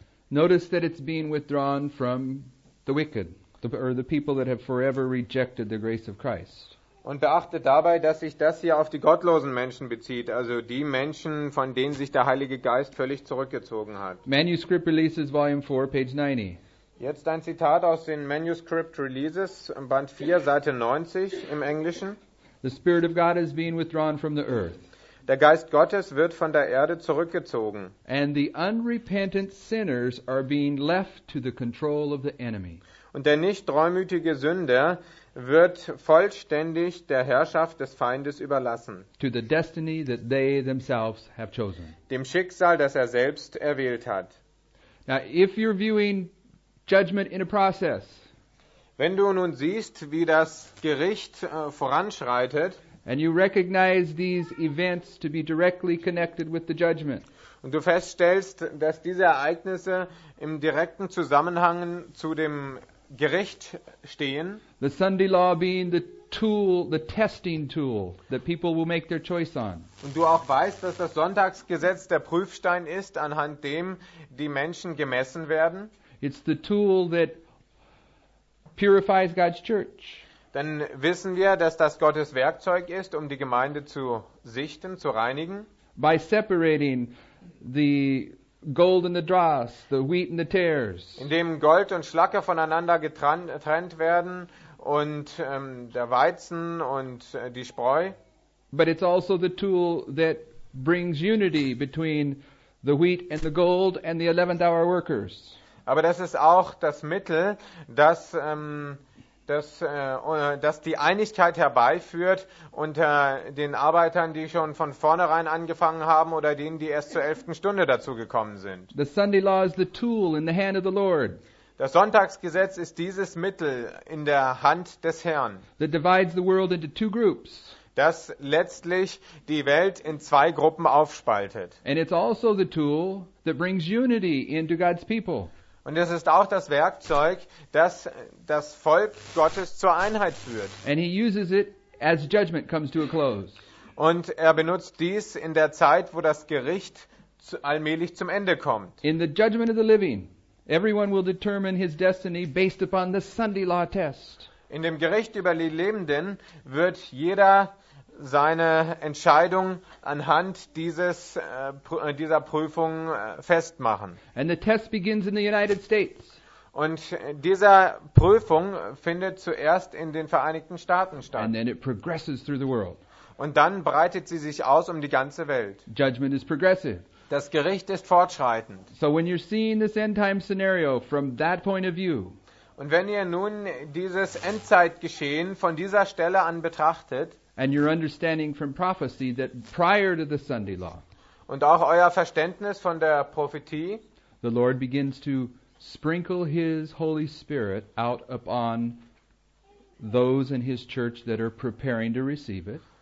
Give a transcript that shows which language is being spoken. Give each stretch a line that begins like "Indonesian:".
English: Notice that it's being withdrawn from the wicked, or the people that have forever rejected the grace of Christ.
German: Und beachte dabei, dass sich das hier auf die gottlosen Menschen bezieht, also die Menschen, von denen sich der Heilige Geist völlig zurückgezogen hat.
English: Manuscript Releases, Volume 4, page 90.
German: Jetzt ein Zitat aus den Manuscript Releases, Band 4, Seite 90 im Englischen.
English: The Spirit of God is being withdrawn from the earth.
German: Der Geist Gottes wird von der Erde zurückgezogen.
English: And the unrepentant sinners are being left to the control of the enemy.
German: Und der nicht treumütige Sünder wird vollständig der Herrschaft des Feindes überlassen.
English: To the destiny that they themselves have chosen.
German: Dem Schicksal, das er selbst erwählt hat.
English: Now, if you're viewing judgment in a process,
German: wenn du nun siehst, wie das Gericht voranschreitet,
English: and you recognize these events to be directly connected with the judgment,
German: und du feststellst, dass diese Ereignisse im direkten Zusammenhang zu dem Gericht stehen.
English: The Sunday law being the tool, the testing tool that people will make their choice on.
German: Und du auch weißt, dass das Sonntagsgesetz der Prüfstein ist, anhand dem die Menschen gemessen werden.
English: It's the tool that purifies God's church.
German: Dann wissen wir, dass das Gottes Werkzeug ist, um die Gemeinde zu sichten, zu reinigen.
English: By separating the gold and the dross, the wheat and the tares.
German: Indem Gold und Schlacke voneinander getrennt werden und der Weizen und die Spreu.
English: But it's also the tool that brings unity between the wheat and the gold and the 11th-hour workers.
German: Aber das ist auch das Mittel, das dass die Einigkeit herbeiführt unter den Arbeitern, die schon von vornherein angefangen haben oder denen, die erst zur 11. Stunde dazugekommen sind.
English: The Sunday law is the tool in the hand of the Lord.
German: Das Sonntagsgesetz ist dieses Mittel in der Hand des Herrn.
English: That divides the world into two groups.
German: Das letztlich die Welt in zwei Gruppen aufspaltet.
English: And it's also the tool that brings unity into God's people.
German: Und es ist auch das Werkzeug, das das Volk Gottes zur Einheit führt.
English: And he uses it as judgment comes to a close.
German: Und er benutzt dies in der Zeit, wo das Gericht allmählich zum Ende kommt.
English: In the judgment of the living, everyone will determine his destiny based upon the Sunday law test.
German: In dem Gericht über die Lebenden wird jeder seine Entscheidung anhand dieses dieser Prüfung festmachen.
English: And the test begins in the United States.
German: Und dieser Prüfung findet zuerst in den Vereinigten Staaten statt.
English: And then it progresses through the world.
German: Und dann breitet sie sich aus um die ganze Welt.
English: Judgment is progressive.
German: Das Gericht ist fortschreitend.
English: So when you're seeing this end time scenario from that point of view.
German: Und wenn ihr nun dieses Endzeitgeschehen von dieser Stelle an betrachtet,
English: and your understanding from prophecy that prior to the Sunday law,
German: und auch euer Verständnis von der Prophetie,
English: the Lord begins to sprinkle his Holy Spirit out upon those in his church that are preparing to receive it,